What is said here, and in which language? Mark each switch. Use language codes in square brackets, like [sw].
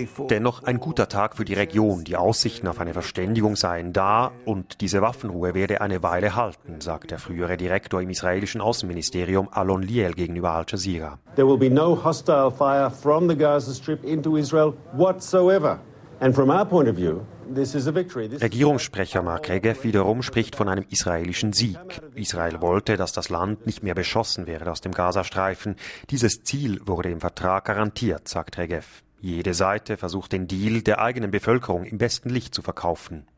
[de] Dennoch ein guter Tag für die Region. Die Aussichten auf eine Verständigung seien da und diese Waffenruhe werde eine Weile halten, sagt der frühere Direktor im israelischen Außenministerium Alon Liel gegenüber Al Jazeera. [en] There will be no hostile fire from the Gaza Strip into Israel whatsoever. And from our point of view, this is a victory. [de] Regierungssprecher Mark Regev wiederum spricht von einem israelischen Sieg. Israel wollte, dass das Land nicht mehr beschossen werde aus dem Gazastreifen. Dieses Ziel wurde im Vertrag garantiert, sagt Regev. Jede Seite versucht den Deal der eigenen Bevölkerung im besten Licht zu verkaufen.